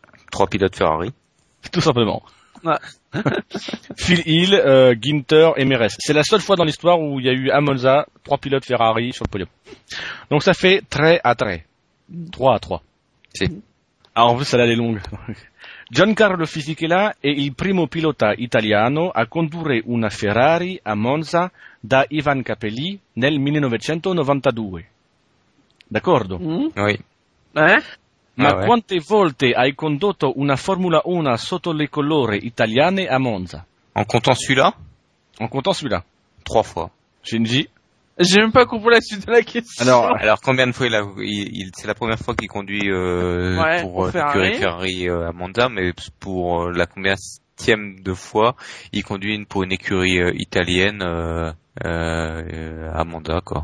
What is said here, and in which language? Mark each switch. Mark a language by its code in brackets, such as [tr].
[fr] Trois pilotes Ferrari. Tout simplement. Ouais. Phil Hill, Ginter et Meres. C'est la seule fois dans l'histoire où il y a eu à Monza trois pilotes Ferrari sur le podium. Donc ça fait 3-3. 3-3. Si. Alors en plus, celle-là est longue. [it] Giancarlo Fisichella è il primo pilota italiano a condurre una Ferrari a Monza da Ivan Capelli nel 1992. D'accordo? [fr] Mm? Oui. [it] Ma quante volte hai condotto una Formula 1 sotto le colore italiane a Monza? [fr] En comptant celui-là? En comptant celui-là. Trois fois. Shinji? J'ai même pas compris la suite de la question. Alors combien de fois c'est la première fois qu'il conduit pour Ferrari à Monza, mais pour la combienième de fois il conduit pour une écurie italienne à Monza quoi.